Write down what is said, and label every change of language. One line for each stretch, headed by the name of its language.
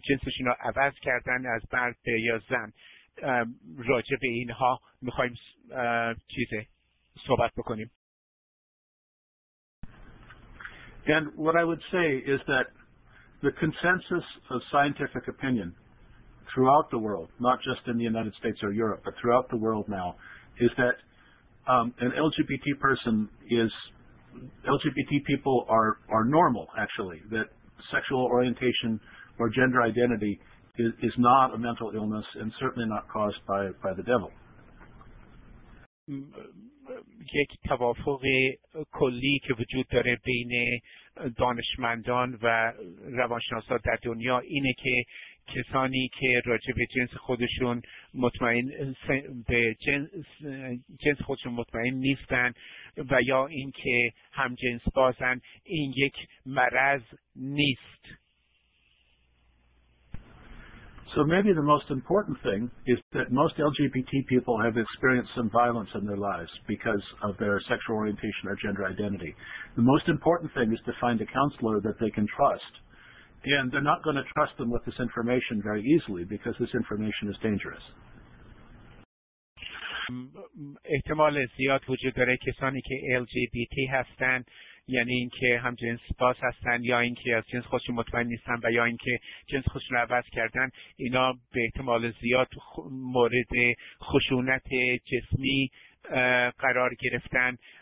Persian: رو عوض کردن از مرد به یا زن، راجع به اینها میخوایم چیزه صحبت بکنیم.
English: And what I would say is that the consensus of scientific opinion throughout the world, not just in the United States or Europe, but throughout the world now, is that an LGBT person is, LGBT people are normal, actually, that sexual orientation or gender identity is not a mental illness and certainly not caused by the devil.
Persian: یک توافق کلی که وجود داره بین دانشمندان و روانشناسا در دنیا اینه که کسانی که راجع به جنس خودشون مطمئن به جنس خودشون مطمئن نیستن و یا اینکه هم جنس بازن، این یک مرض نیست.
English: So maybe the most important thing is that most LGBT people have experienced some violence in their lives because of their sexual orientation or gender identity. The most important thing is to find a counselor that they can trust. And they're not going to trust them with this information very easily because this information is dangerous.
Persian: احتمال زیاد وجود داره کسانی که LGBT هستن، یعنی اینکه هم جنس باز هستن یا اینکه از جنس خودشون مطمئن نیستن و یا اینکه جنس خودشون رو عوض کردن، اینا به احتمال زیاد مورد خشونت جسمی قرار گرفتن.